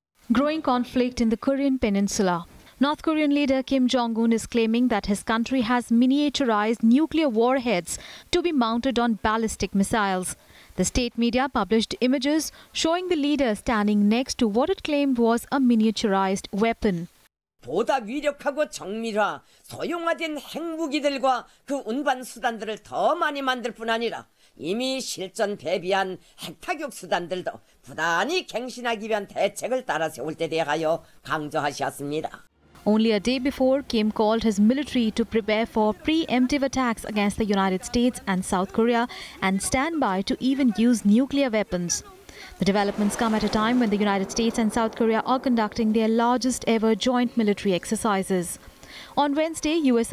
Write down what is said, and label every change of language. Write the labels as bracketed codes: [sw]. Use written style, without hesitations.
[en] Growing conflict in the Korean Peninsula. North Korean leader Kim Jong-un is claiming that his country has miniaturized nuclear warheads to be mounted on ballistic missiles. The state media published images showing the leader standing next to what it claimed was a miniaturized weapon. [ko] 보다 위력하고 정밀화, 소형화된 핵무기들과 그 운반 수단들을 더 많이 만들 뿐 아니라 이미 실전 대비한 핵타격 수단들도 부단히 갱신하기 위한 대책을 따라 세울 때 대하여 강조하셨습니다. [en] Only a day before, Kim called his military to prepare for preemptive attacks against the United States and South Korea and stand by to even use nuclear weapons. The developments come at a time when the United States and South Korea are conducting their largest ever joint military exercises. On Wednesday, U.S.